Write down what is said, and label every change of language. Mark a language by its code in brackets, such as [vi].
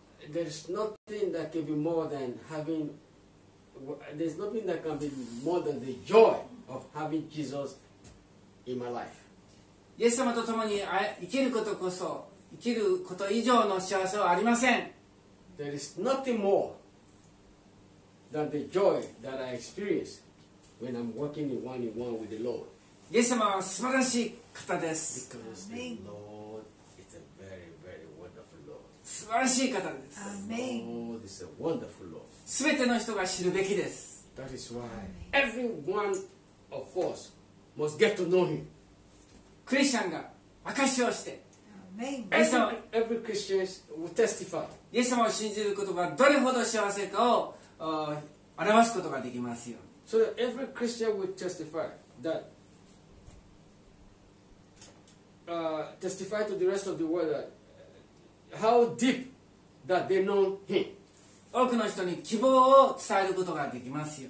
[en] There's nothing that can be more than having. There's nothing that can be more than the joy of having Jesus in my life. [ja] イエス様と共に生きることこそ生きること以上の幸せはありません。 [en] There is nothing more than the joy that I experience when I'm walking in one in one with the Lord. [ja] イエス様は素晴らしい方です。 [en] Because the Lord is a very, very wonderful Lord. [ja] 素晴らしい方です。 [en] Amen. The Lord is a wonderful Lord. [ja] 全ての人が知るべきです。 [en] That is why everyone of us must get to know him. [ja] クリスチャンが証しをして、 [en] Amen. Every Christian will testify. [ja] イエス様を信じることがどれほど幸せかを表すことができますよ。 [en] So that every Christian will testify that testify to the rest of the world that, how deep that they know him. [ja] 多くの人に希望を伝えることができますよ。